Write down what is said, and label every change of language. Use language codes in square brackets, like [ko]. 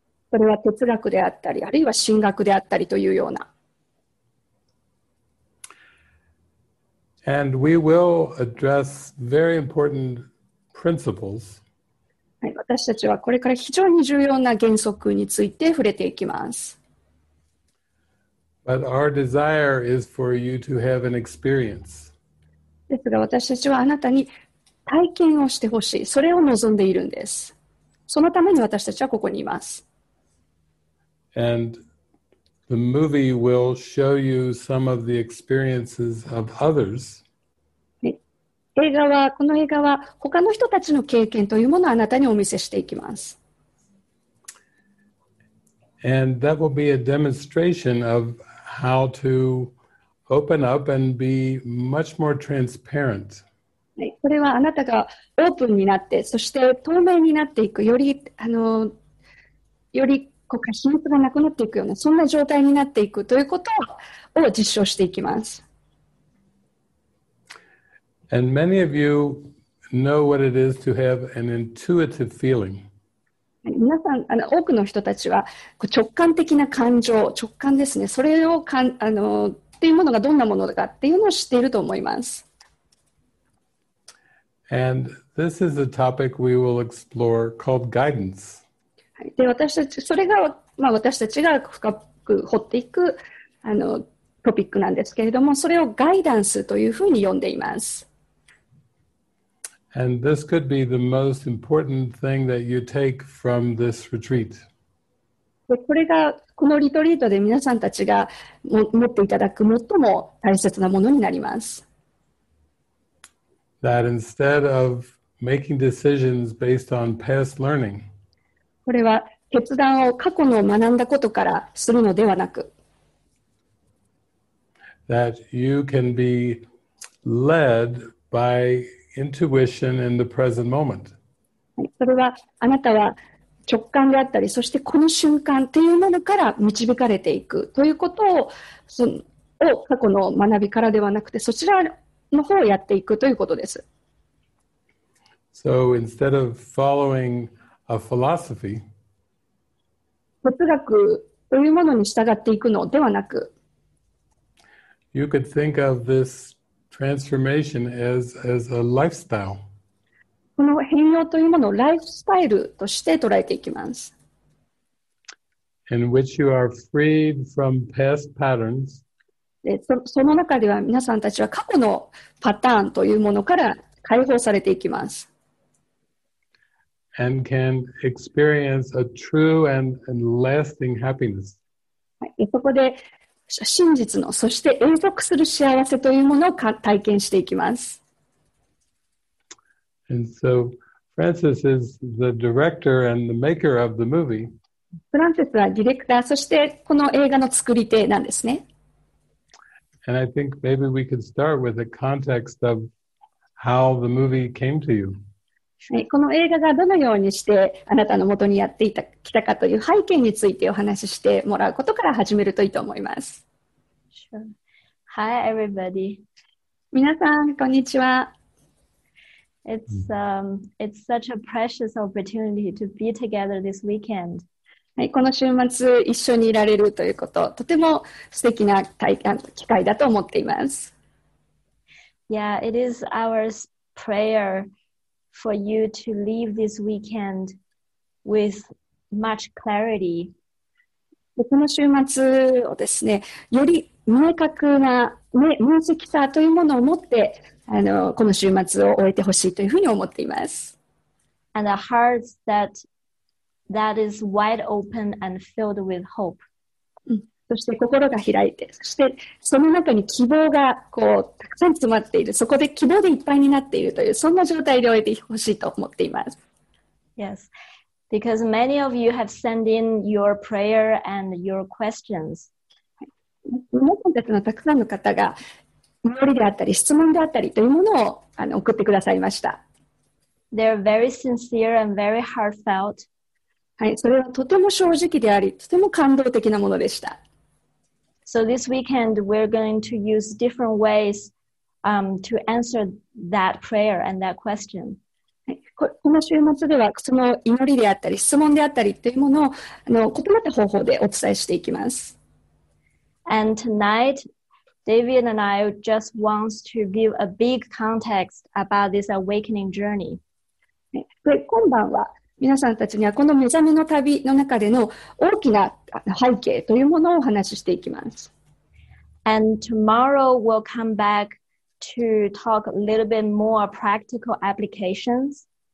[ja] それは哲学であったり、あるいは神学であったりというような。 [en] And we will address very important principles. [ja] はい、私たちはこれから非常に重要な原則について触れていきます。 [en] But our desire is for you to have an experience. [ja] ですが、私たちはあなたに体験をしてほしい。それを望んでいるんです。そのために私たちはここにいます。 [en] And the movie will show you some of the experiences of others. [ja] 映画は、この映画は他の人たちの経験というものをあなたにお見せしていきます。 [en] And that will be a demonstration of how to open up and be much more transparent. [ja] それはあなたがオープンになって、そして透明になっていく、より、より、秘密がなくなっていくような、そんな状態になっていくということを実証していきます。 [en] And many of you know what it is to have an intuitive feeling. [ja] 皆さん、多くの人たちは、直感的な感情、直感ですね、それを、っていうものがどんなものかっていうのを知っていると思います。 [en] And this is a topic we will explore called guidance. [ja] で、私たち、それが、私たちが深く掘っていく、トピックなんですけれども、それをガイダンスというふうに呼んでいます。 [en] And this could be the most important thing that you take from this retreat. [ja] で、これがこのリトリートで皆さんたちが持っていただく最も大切なものになります。 [en] That instead of making decisions based on past learning, [ja] これは決断を過去の学んだことからするのではなく、 [en] that you can be led by intuition in the present moment. [ja] それはあなたは直感であったり、そしてこの瞬間というものから導かれていくということを、過去の学びからではなくて、そちらの方をやっていくということです。 [en] So instead of following of philosophy. [ja] 哲学というものに従っていくのではなく、 [en] You could think of this transformation as a lifestyle. [ja] この変容というものをライフスタイルとして捉えていきます。 [en] In which you are freed from past patterns. [ja] その中では皆さんたちは過去のパターンというものから解放されていきます。 [en] And can experience a true and lasting happiness. [ja] そこで真実の、そして永続する幸せというものを体験していきます。 [en] And so, Francis is the director and the maker of the movie. [ja] フランシスはディレクター、そしてこの映画の作り手なんですね。 [en] And I think maybe we could start with a context of how the movie came to you. [ja] この映画がどのようにしてあなたのもとにやってきたかという背景についてお話ししてもらうことから始めるといいと思います。 [en] Sure. Hi, everybody. [ja] 皆さん、こんにちは。 [en] It's such a precious opportunity to be together this weekend. [ja] この週末、一緒にいられるということ、とても素敵な体験と機会だと思っています。 [en] Yeah, it is our prayer. For you to leave this weekend with much clarity. [ja] この週末をですね、より明確な明晰さというものを持って、この週末を終えてほしいというふうに思っています。 [en] And a heart that is wide open and filled with hope. [ja] そして心が開いて、そしてその中に希望がこうたくさん詰まっている、そこで希望でいっぱいになっているという、そんな状態で終えてほしいと思っています。 [en] Yes, because many of you have sent in your prayer and your questions. [ja] 皆さんたちのたくさんの方が、祈りであったり、質問であったりというものを送ってくださいました。 [en] They're very sincere and very heartfelt. [ja] はい、それはとても正直であり、とても感動的なものでした。 [en] So this weekend we're going to use different ways, to answer that prayer and that question. [ja] この週末ではその祈りであったり、質問であったりというものを異なった方法でお伝えしていきます。 [en] And tonight, David and I just want to give a big context about this awakening journey. [ja] で、今晩は皆さんたちにはこの目覚めの旅の中での大きな背景というものをお話ししていきます。 [en] And tomorrow we'll come back to talk a little bit more practical applications.